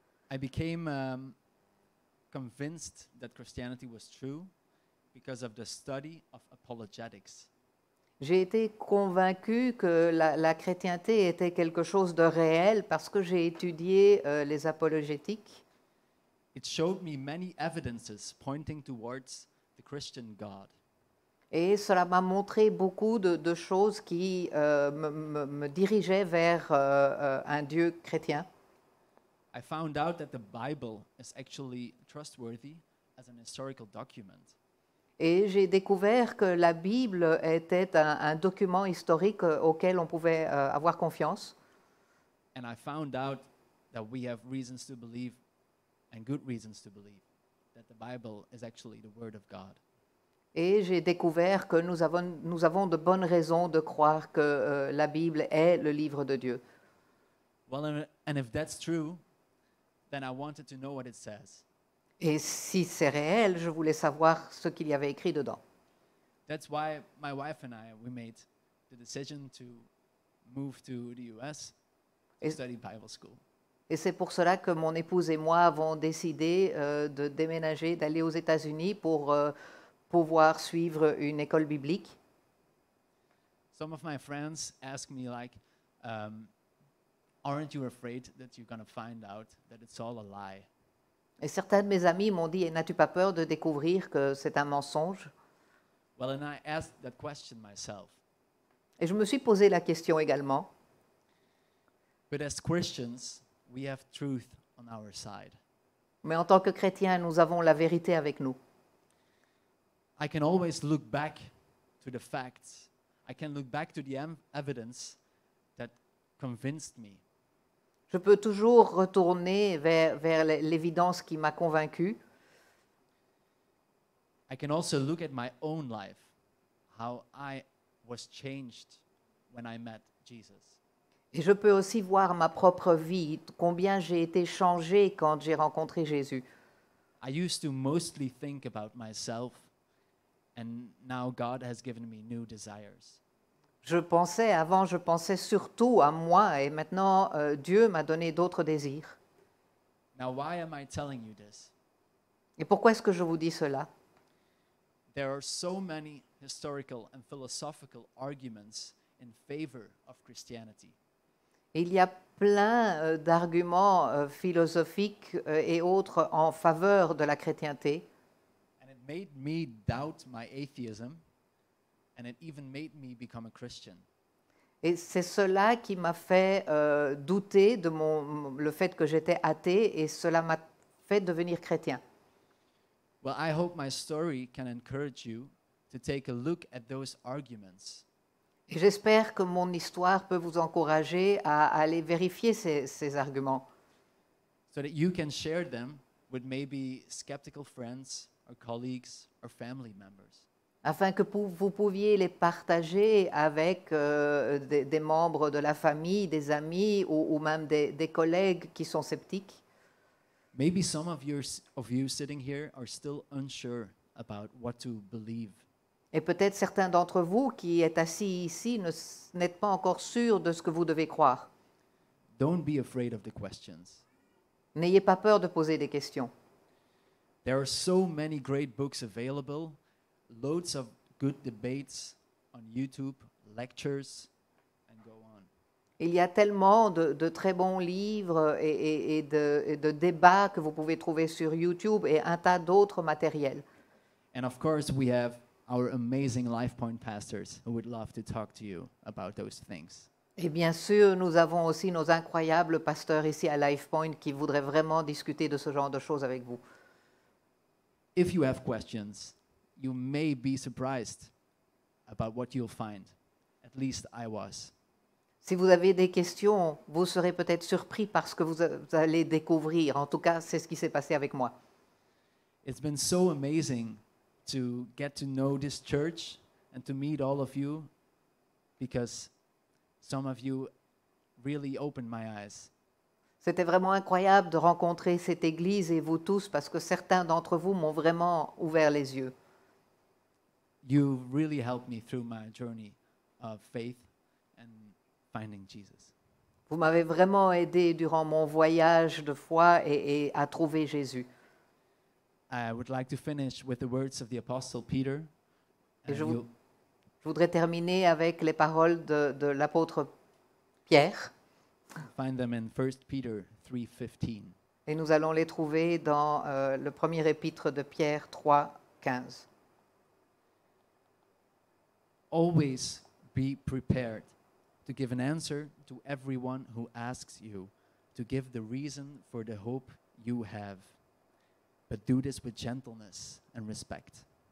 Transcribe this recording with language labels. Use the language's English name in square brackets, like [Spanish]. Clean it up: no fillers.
[English] I became convinced that Christianity was true because of the study of apologetics. [French] J'ai été convaincu que la chrétienté était quelque chose de réel parce que j'ai étudié les apologétiques. [English] It showed me many evidences pointing towards the Christian God. [French] Et cela m'a montré beaucoup de choses qui me dirigeaient vers un Dieu chrétien. [English] I found out that the Bible is actually trustworthy as an historical document. [French] Et j'ai découvert que la Bible était un document historique auquel on pouvait avoir confiance. [English] And I found out that we have reasons to believe, and good reasons to believe, that the Bible is actually the Word of God. [French] Et j'ai découvert que nous avons de bonnes raisons de croire que la Bible est le livre de Dieu. [English] Well, and if that's true, then I wanted to know what it says. [French] Et si c'est réel, je voulais savoir ce qu'il y avait écrit dedans. [English] That's why my wife and I, we made the decision to move to the US to study Bible school. [French] Et c'est pour cela que mon épouse et moi avons décidé de déménager, d'aller aux États-Unis pour pouvoir suivre une école biblique. [English] Some of my friends ask me like, aren't you afraid that you're going to find out that it's all a lie? [French] Et certains de mes amis m'ont dit, n'as-tu pas peur de découvrir que c'est un mensonge? [English] Well, and I asked that question myself. [French] Et je me suis posé la question également. [English] But as Christians, we have truth on our side. [French] Mais en tant que chrétiens, nous avons la vérité avec nous. [English] I can always look back to the facts. I can look back to the evidence that convinced me. [French] Je peux toujours retourner vers l'évidence qui m'a convaincu. [English] I can also look at my own life, how I was changed when I met Jesus. [French] Et je peux aussi voir ma propre vie, combien j'ai été changé quand j'ai rencontré Jésus. [English] I used to mostly think about myself. And now God has given me new desires. [French] Je pensais surtout à moi et maintenant Dieu m'a donné d'autres désirs. [English] Now, why am I telling you this? [French] Et pourquoi est-ce que je vous dis cela? [English] There are so many historical and philosophical arguments in favor of Christianity. [French] Il y a plein d'arguments philosophiques et autres en faveur de la chrétienté. [English] And it made me doubt my atheism, and it even made me become a Christian. [French] Et c'est cela qui m'a fait douter de le fait que j'étais athée, et cela m'a fait devenir chrétien. [English] Well, I hope my story can encourage you to take a look at those arguments. [French] Et j'espère que mon histoire peut vous encourager à aller vérifier ces arguments. [English] So that you can share them with maybe skeptical friends or colleagues or family members. [French] Afin que vous pouviez les partager avec des membres de la famille, des amis ou même des collègues qui sont sceptiques. [English] Maybe some of you sitting here are still unsure about what to believe. [French] Et peut-être certains d'entre vous qui êtes assis ici n'êtes pas encore sûrs de ce que vous devez croire. [English] Don't be afraid of the questions. [French] N'ayez pas peur de poser des questions. [English] There are so many great books available. Loads of good debates on YouTube, lectures, and go on. [French] Il y a tellement de très bons livres et de débats que vous pouvez trouver sur YouTube et un tas d'autres matériels. [English] And of course, we have our amazing LifePoint pastors who would love to talk to you about those things. [French] Et bien sûr, nous avons aussi nos incroyables pasteurs ici à LifePoint qui voudraient vraiment discuter de ce genre de choses avec vous. [English] If you have questions, you may be surprised about what you'll find. At least I was. [French] Si vous avez des questions, vous serez peut-être surpris par ce que vous allez découvrir. En tout cas, c'est ce qui s'est passé avec moi. [English] It's been so amazing to get to know this church and to meet all of you, because some of you really opened my eyes. [French] C'était vraiment incroyable de rencontrer cette église et vous tous, parce que certains d'entre vous m'ont vraiment ouvert les yeux. [English] You really helped me through my journey of faith and finding Jesus. [French] Vous m'avez vraiment aidé durant mon voyage de foi et à trouver Jésus. [English] I would like to finish with the words of the apostle Peter. [French] Je voudrais terminer avec les paroles de l'apôtre Pierre. [English] Find them in 1 Peter 3:15. [French] Et nous allons les trouver dans le premier épître de Pierre 3:15. [English] Always be prepared to give an answer to everyone who asks you to give the reason for the hope you have. But do this with gentleness and respect.